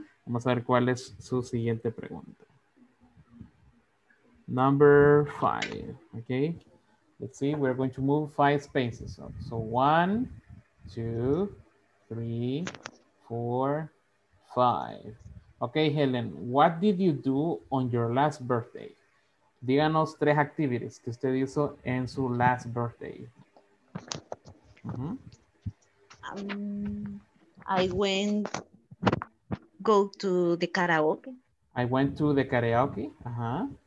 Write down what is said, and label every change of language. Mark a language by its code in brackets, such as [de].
[es] Vamos a ver cuál es su siguiente pregunta. [en] Number five, okay? Let's see, we're going to move five spaces up. So 1, 2, 3, 4, 5. Okay, Helen, what did you do on your last birthday? [es] Díganos tres activities que usted hizo en su [en] last birthday. Mm-hmm. I went to the karaoke. Uh-huh.